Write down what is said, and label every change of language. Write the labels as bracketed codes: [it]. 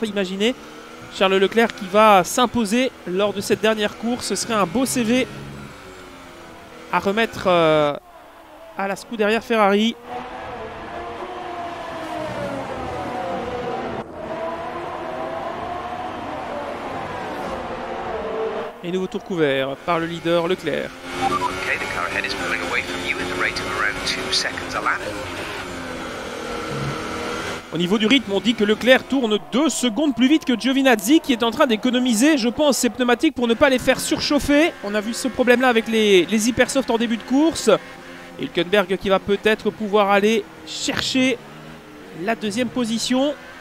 [fr] Imaginez Charles Leclerc qui va s'imposer lors de cette dernière course, ce serait un beau CV à remettre à la Scuderia Ferrari. Et nouveau tour couvert par le leader Leclerc. [en] Okay, the car ahead is pulling away from you at the rate of around 2 seconds a lap. [fr] Au niveau du rythme, on dit que Leclerc tourne 2 secondes plus vite que Giovinazzi, qui est en train d'économiser, je pense, ses pneumatiques pour ne pas les faire surchauffer. On a vu ce problème-là avec les hypersoft en début de course. Et Hülkenberg qui va peut-être pouvoir aller chercher la deuxième position.